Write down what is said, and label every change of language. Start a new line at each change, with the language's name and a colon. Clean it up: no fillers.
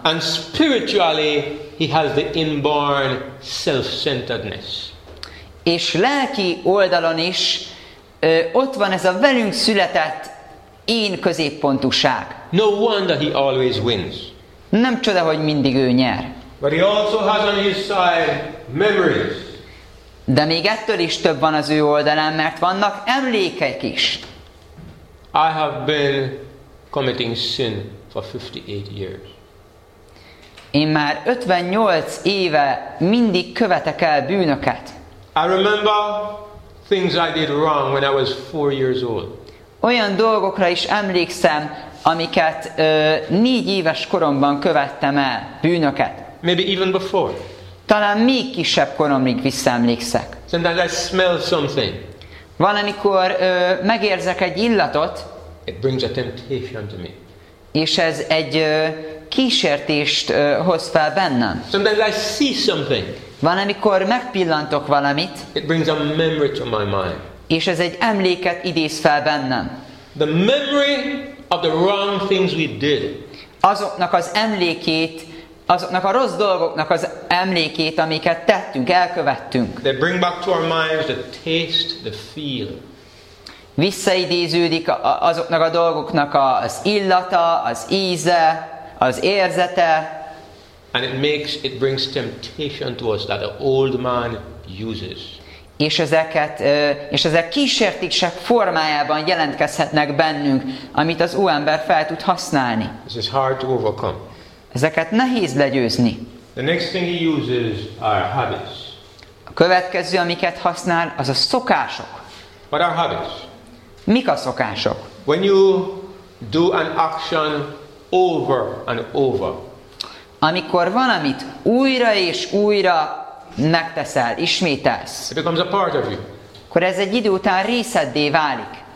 English: And spiritually he has the inborn self-centeredness.
Hungarian: És lelki oldalon is ott van ez a velünk született én középpontuság.
English: No wonder he always wins.
Hungarian: Nem csoda, hogy mindig ő nyer.
English: But he also has on his side memories.
Hungarian: De még ettől is több van az ő oldalán, mert vannak emlékek is.
English: I have been committing sin for 58 years.
Hungarian: Én már 58 éve mindig követek el bűnöket.
English: I remember things I did wrong when I was 4 years old.
Hungarian: Olyan dolgokra is emlékszem, amiket 4 éves koromban követtem el bűnöket.
English: Maybe even before.
Hungarian: Talán még kisebb koromig visszaemlékszek.
English: Sometimes I smell something.
Hungarian: Van, amikor megérzek egy illatot.
English: It brings a temptation to me.
Hungarian: És ez egy kísértést hoz fel bennem.
English: Sometimes I see something.
Hungarian: Van, amikor megpillantok valamit.
English: It brings a memory to my mind.
Hungarian: És ez egy emléket idéz fel bennem.
English: The memory of the wrong things we did.
Hungarian: Azoknak az emlékét, azoknak a rossz dolgoknak az emlékét, amiket tettünk, elkövettünk.
English: They bring back to our minds the taste, the feel.
Hungarian: Visszaidéződik azoknak a dolgoknak az illata, az íze, az érzete.
English: And it brings temptation to us that the old man uses.
Hungarian: És ezeket, és ezek kísértések formájában jelentkezhetnek bennünk, amit az új ember fel tud használni.
English: This is hard to overcome.
Hungarian: Ezeket nehéz legyőzni.
English: The next thing he uses are habits.
Hungarian: A következő, amiket használ, az a szokások.
English: What are habits?
Hungarian: Mik a szokások?
English: When you do an action over and over.
Hungarian: Amikor valamit újra és újra megteszel, ismételsz.
English: It becomes a part of you.
Hungarian: Akkor ez egy idő után részeddé válik.